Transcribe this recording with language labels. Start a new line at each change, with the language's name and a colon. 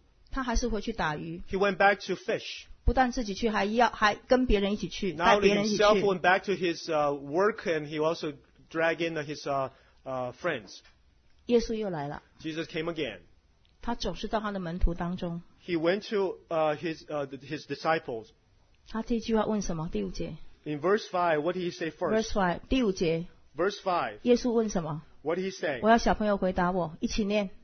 Chinese: 他还是回去打鱼
English: He went back to fish.
Chinese: 不但自己去 还跟别人一起去
English: Not only himself went back to his work and he also dragged in his friends.
Chinese: 耶稣又来了。
English: Jesus came again.
Chinese: 他总是到他的门徒当中。
English: He went to his disciples.
Chinese: 他这句话问什么？第五节。
English: In verse 5, what did he say first? Verse 5, 第五节。 Verse 5.
Chinese: 耶稣问什么？
English: What did he say?
Chinese: 我要小朋友回答我，一起念。